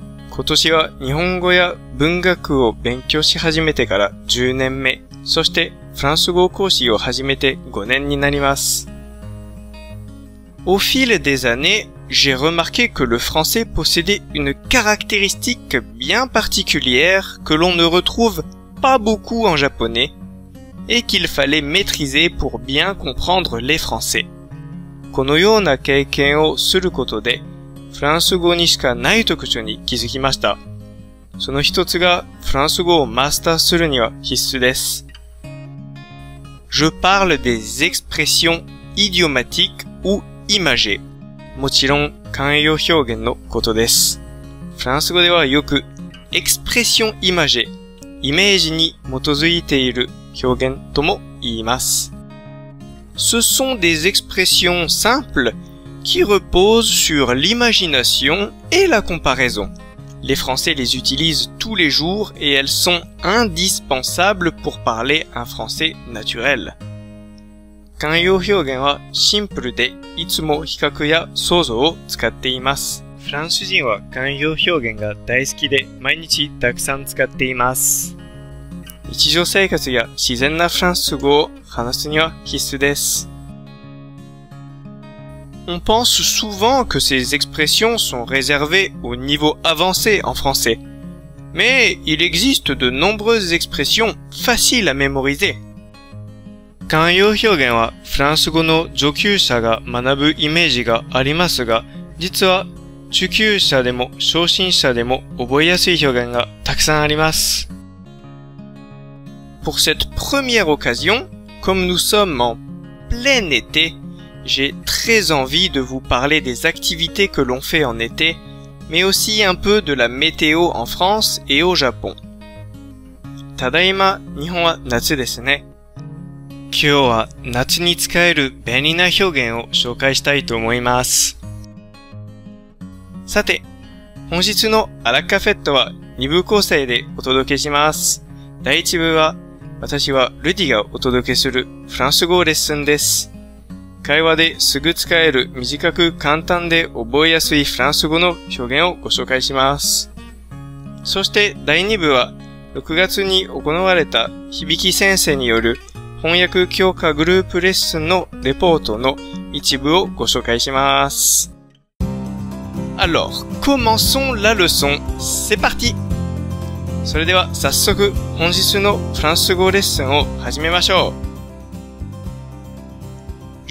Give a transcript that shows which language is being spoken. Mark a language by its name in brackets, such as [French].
[Japanese] 今年は日本語や文学を勉強し始めてから10年目、そしてフランス語講師を始めて5年になります。 [French] Au fil des années, j'ai remarqué que le français possédait une caractéristique bien particulière que l'on ne retrouve pas beaucoup en japonais et qu'il fallait maîtriser pour bien comprendre les français. [Japanese] このような経験をすることで、フランス語にしかない特徴に気づきました。その一つが、フランス語をマスターするには必須です。 [French] Je parle des expressions idiomatiques ou imagées. [Japanese] もちろん、慣用表現のことです。フランス語ではよく、 [French] expression imagée、 [Japanese] イメージに基づいている表現とも言います。 [French] Ce sont des expressions simples qui reposent sur l'imagination et la comparaison. Les Français les utilisent tous les jours et elles sont indispensables pour parler un français naturel. [Japanese] 慣用表現はシンプルで、いつも比較や想像を使っています。フランス人は慣用表現が大好きで、毎日たくさん使っています。日常生活や自然なフランス語を話すには必須です。 [French] On pense souvent que ces expressions sont réservées au niveau avancé en français. Mais il existe de nombreuses expressions faciles à mémoriser. [Japanese] 慣用表現はフランス語の上級者が学ぶイメージがありますが、実は中級者でも初心者でも覚えやすい表現がたくさんあります。 [French] Pour cette première occasion, comme nous sommes en plein été, j'ai très envie de vous parler des activités que l'on fait en été, mais aussi un peu de la météo en France et au Japon. [Japanese] ただいま、日本は夏ですね。今日は夏に使える便利な表現を紹介したいと思います。さて、本日のアラカフェットは2部構成でお届けします。第1部は、私はルディがお届けするフランス語レッスンです。会話ですぐ使える短く簡単で覚えやすいフランス語の表現をご紹介します。そして第2部は、6月に行われた響き先生による翻訳強化グループレッスンのレポートの一部をご紹介します。 [French] Alors, commençons la leçon. C'est parti! [Japanese] それでは早速本日のフランス語レッスンを始めましょう。